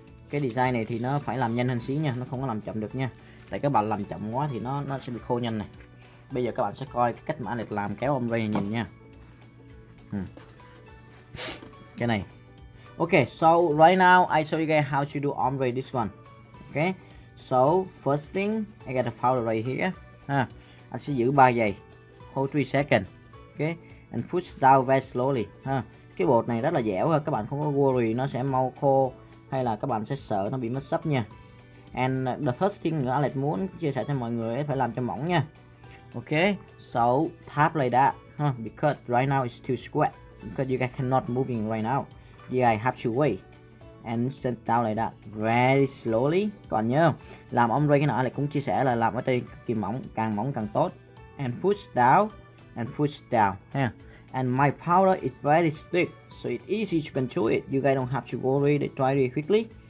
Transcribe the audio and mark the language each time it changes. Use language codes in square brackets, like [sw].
[vi] Cái design này thì nó phải làm nhanh hơn xí nha. Nó không có làm chậm được nha. Tại các bạn làm chậm quá thì nó sẽ bị khô nhanh này. Bây giờ các bạn sẽ coi cái cách mà Alex làm kéo ombre này nhìn nha. Cái này. [en] Ok, so right now I show you guys how to do ombre this one. Ok, so first thing I got a powder right here. [vi] Anh sẽ giữ 3 giây. [en] Hold 3 seconds. Ok, and push down very slowly. [vi] Cái bột này rất là dẻo, các bạn không có [en] worry [vi] nó sẽ mau khô hay là các bạn sẽ sợ nó bị mất sấp nha. [en] And the first thing [vi] nữa Alex muốn chia sẻ cho mọi người ấy, phải làm cho mỏng nha. [en] Ok, so tap like that because right now it's too square. Because you guys cannot moving right now. Yeah, I have to wait. And set down like that very slowly. [vi] Còn nhớ làm ombre cái nào Alex cũng chia sẻ là làm ở trên cực kỳ mỏng càng tốt. [en] And push down, and push down. Yeah. And my powder is very thick, so it's easy to control it. You guys don't have to worry, they try it quickly.